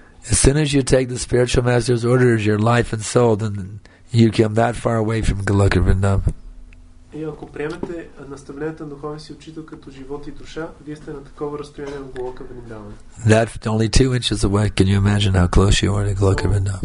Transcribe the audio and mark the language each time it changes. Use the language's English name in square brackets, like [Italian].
[English] As soon as you take the spiritual master's orders, your life and soul, then you come that far away from Goloka Vrindavan. [Bulgarian] И ако приемете наставлението на духовния си учител като живот и душа, вие сте на такова разстояние от Голока Вриндаван. [English] That only 2 inches away. Can you imagine how close you are to Голока Вриндаван?